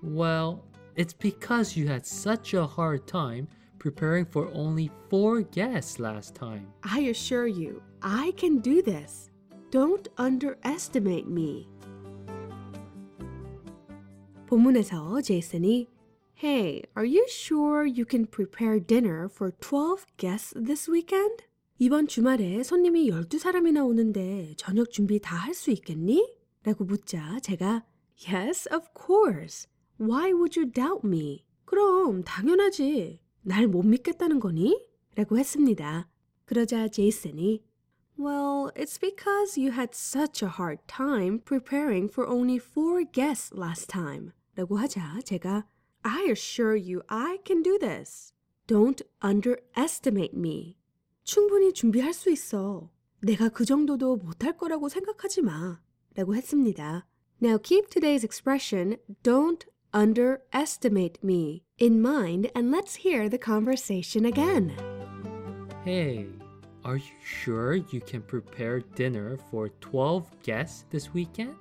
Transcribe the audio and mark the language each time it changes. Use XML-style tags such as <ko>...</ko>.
<en>Well, it's because you had such a hard time preparing for only 4 guests last time. I assure you, I can do this. Don't underestimate me.</en> <ko>본문에서 제이슨이</ko> <en>Hey, are you sure you can prepare dinner for 12 guests this weekend?</en> <ko>이번 주말에 손님이 12사람이나 오는데 저녁 준비 다 할 수 있겠니? 라고 묻자 제가</ko> <en>Yes, of course. Why would you doubt me?</en> <ko>그럼 당연하지. 날 못 믿겠다는 거니? 라고 했습니다. 그러자 제이슨이</ko> <en>Well, it's because you had such a hard time preparing for only 4 guests last time.</en> <ko>라고 하자 제가</ko> <en>I assure you, I can do this. Don't underestimate me.</en> <ko>충분히 준비할 수 있어. 내가 그 정도도 못할 거라고 생각하지 마. 라고 했습니다.</ko> <en>Now keep today's expression, don't underestimate me, in mind and let's hear the conversation again. Hey, are you sure you can prepare dinner for 12 guests this weekend?</en>